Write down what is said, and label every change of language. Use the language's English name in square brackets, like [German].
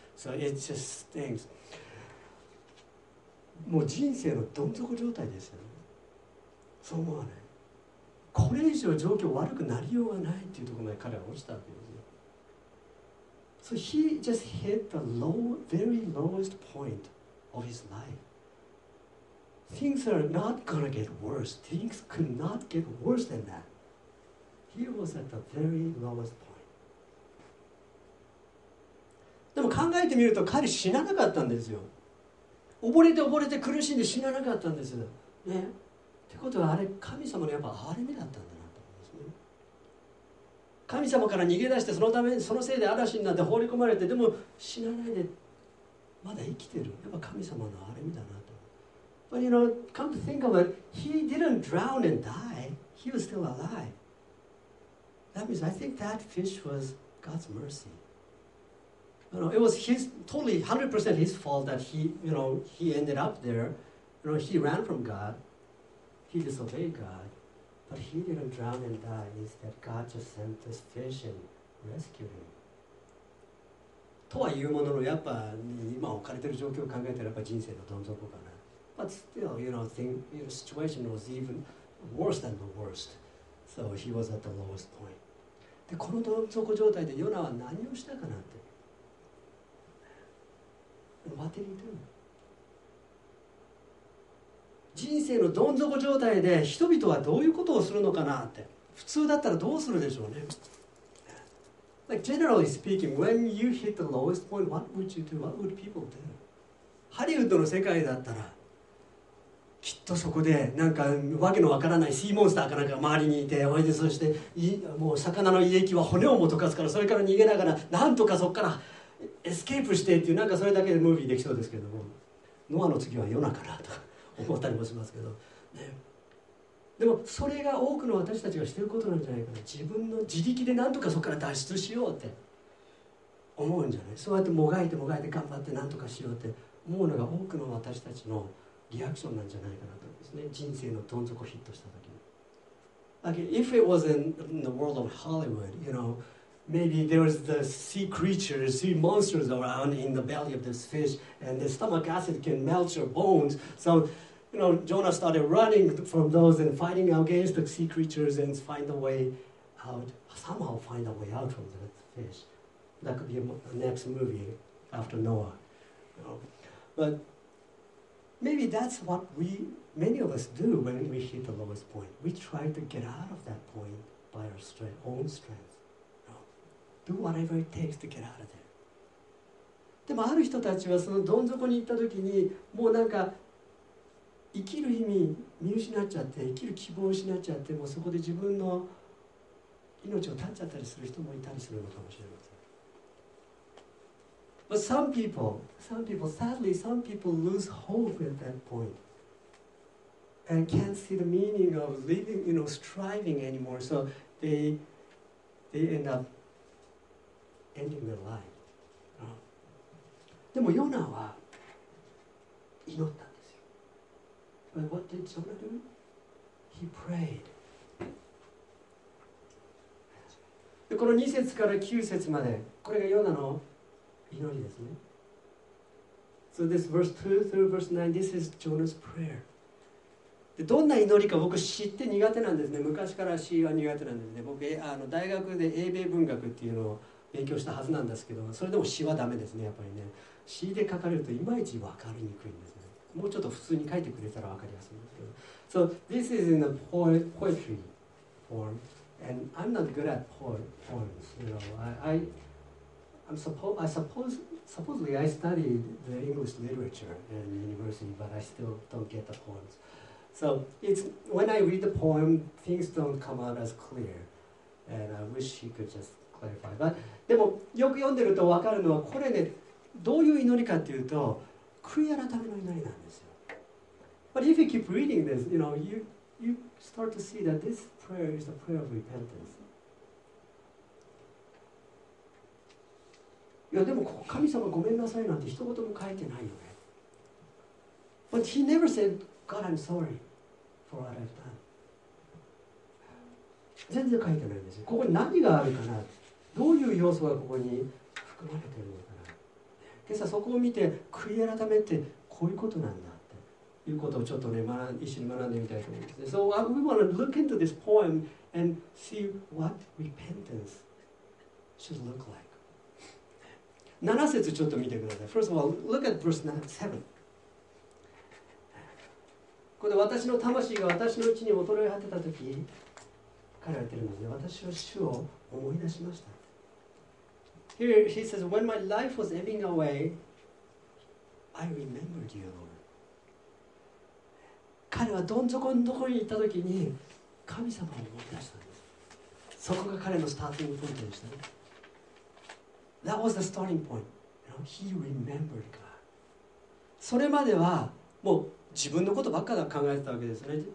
[English] So it just stinks. [Japanese] もう人生のどん底状態ですよ。そう思わない。これ以上状況悪くなりようがないっていうところまで彼は落ちたわけですよ。 [English] So he just hit the low, very lowest point of his life. Things are not gonna get worse. Things could not get worse than that. He was at the very lowest point. [Japanese] でも考えてみると彼死ななかったんですよ。溺れて苦しんで死ななかったんです。ね。ってことはあれ、神様のやっぱ憐れみだったんだ。神様から逃げ出してそのためそのせいで嵐になって放り込まれて、でも死なないでまだ生きてる、やっぱ神様の憐れみだなと。 [English] But you know, come to think of it, he didn't drown and die. He was still alive. That means I think that fish was God's mercy. You know, it was his totally 100% his fault that he, you know, he ended up there. You know, he ran from God. He disobeyed God. But he didn't drown and die. Instead, God just sent this fish and rescued him. [Japanese] とは言うものの、やっぱ今置かれている状況を考えたら、やっぱ人生のどん底かな。 [English] But still, you know, the situation was even worse than the worst. So he was at the lowest point. [Japanese] で、このどん底状態でヨナは何をしたかなって。 [English] What did he do? [Japanese] 人生のどん底状態で人々はどういうことをするのかなって、普通だったらどうするでしょうね。 [English] Like generally speaking, when you hit the lowest point, what would you do? What would people do? [Japanese] ハリウッドの世界だったら、きっとそこでなんかわけのわからないシーモンスターかなんか周りにいて、おいで、そしてもう魚の胃液は骨をもとかすから、それから逃げながらなんとかそこからエスケープしてっていう、なんかそれだけでムービーできそうですけども、ノアの次はヨナかなと。思ったりもしますけど、ね、でもそれが多くの私たちがしていることなんじゃないかな、自分の自力でなんとかそこから脱出しようって思うんじゃない、そうやってもがいてもがいて頑張ってなんとかしようって思うのが多くの私たちのリアクションなんじゃないかなと思うんですね。人生のどん底ヒットした時に、 [English] Like if it was in the world of Hollywood, you know, maybe there was the sea creatures, sea monsters around in the belly of this fish, and the stomach acid can melt your bones. So, you know, Jonah started running from those and fighting against the sea creatures and find a way out, somehow find a way out from that fish. That could be a next movie after Noah. You know? But maybe that's what we, many of us do when we hit the lowest point. We try to get out of that point by our own strength. Do whatever it takes to get out of there. [Japanese] でもある人たちはそのどん底に行った時にもうなんか生きる意味見失っちゃって、生きる希望を失っちゃって、もうそこで自分の命を絶っちゃったりする人もいたりするのかもしれません。 [English] But some people lose hope at that point and can't see the meaning of living, you know, striving anymore. So they end upEnding their life. [Japanese] でもヨナは祈ったんですよ。 [English] But what did Jonah do? He prayed. [Japanese] でこの2節から9節まで、これがヨナの祈りですね。 [English] So this verse 2 through verse 9, this is Jonah's prayer. [Japanese] どんな祈りか僕知って苦手なんですね。昔から詩は苦手なんですね。僕あの大学で英米文学っていうのを勉強したはずなんですけど、それでも詩はダメですね。やっぱりね、詩で書かれるといまいち分かりにくいんですね。もうちょっと普通に書いてくれたら分かりやすいんですけど、 [English] So this is in a poetry form and I'm not good at poems. You know, I supposedly I studied the English literature in university, but I still don't get the poems. So it's when I read the poem, things don't come out as clear, and I wish he could just clarify. [Japanese] But でもよく読んでると分かるのはこれね、どういう祈りかっていうと悔い改めの祈りなんですよ。 [English] But if you keep reading this, you know, you start to see that this prayer is a prayer of repentance. [Japanese] いやでも神様ごめんなさいなんて一言も書いてないよね。 [English] But he never said, God, I'm sorry for what I've done. [Japanese] 全然書いてないんですよ。ここに何があるかな、どういう要素がここに含まれているのかな。今朝そこを見て、悔い改めってこういうことなんだっていうことをちょっとね、一緒に学んでみたいと思います。 [English] So we want to look into this poem and see what repentance should look like. [Japanese] 7節ちょっと見てください。 [English] First of all, look at verse 7. [Japanese] これで私の魂が私のうちに衰え果てたとき、彼は言ってるんですね。私は主を思い出しました。 [English] Here he says, when my life was ebbing away, I remembered you, Lord. [Japanese] 彼はどん底のところに行ったときに、神様を思い出したんです。そこが彼のスターティングポイントでしたね。 [English] That was the starting point. You know, he remembered God. [Japanese] それまではもう自分のことばっかり考えてたわけですね。